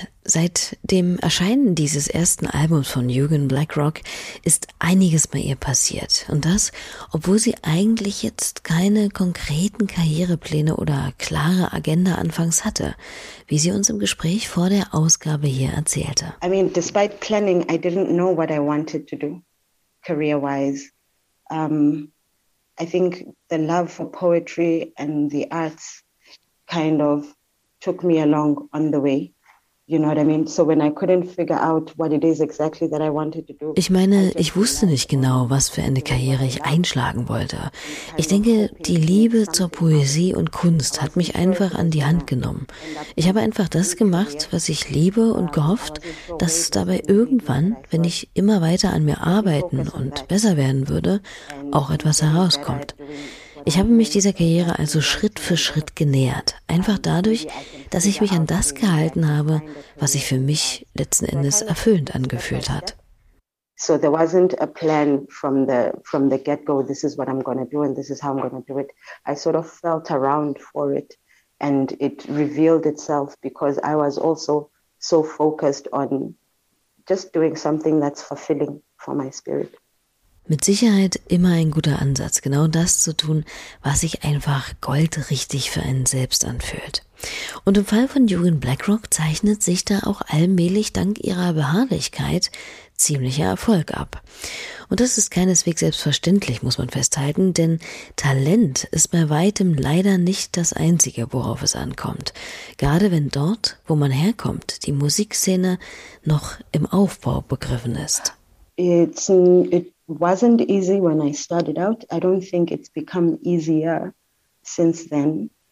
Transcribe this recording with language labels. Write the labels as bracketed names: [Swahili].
[German] Seit dem Erscheinen dieses ersten Albums von Eugen Blackrock ist einiges bei ihr passiert. Und das, obwohl sie eigentlich jetzt keine konkreten Karrierepläne oder klare Agenda anfangs hatte, wie sie uns im Gespräch vor der Ausgabe hier erzählte. [English] I mean, despite planning, I didn't know what I wanted to do, career-wise. I think the love for poetry and the arts kind of took me along on the way. You know what I mean? So when I couldn't figure out what it is exactly that I wanted to do. [German] Ich meine, ich wusste nicht genau, was für eine Karriere ich einschlagen wollte. Ich denke, die Liebe zur Poesie und Kunst hat mich einfach an die Hand genommen. Ich habe einfach das gemacht, was ich liebe und gehofft, dass dabei irgendwann, wenn ich immer weiter an mir arbeiten und besser werden würde, auch etwas herauskommt. Ich habe mich dieser Karriere also Schritt für Schritt genähert. Einfach dadurch, dass ich mich an das gehalten habe, was sich für mich letzten Endes erfüllend angefühlt hat. [English] So there wasn't a plan from the get-go, this is what I'm gonna do and this is how I'm gonna do it. I sort of felt around for it and it revealed itself because I was also so focused on just doing something that's fulfilling for my spirit. [German] Mit Sicherheit immer ein guter Ansatz, genau das zu tun, was sich einfach goldrichtig für einen selbst anfühlt. Und im Fall von Jugend BlackRock zeichnet sich da auch allmählich dank ihrer Beharrlichkeit ziemlicher Erfolg ab. Und das ist keineswegs selbstverständlich, muss man festhalten, denn Talent ist bei weitem leider nicht das Einzige, worauf es ankommt. Gerade wenn dort, wo man herkommt, die Musikszene noch im Aufbau begriffen ist. [English] It wasn't easy when I started out. I don't think it's become easier since then.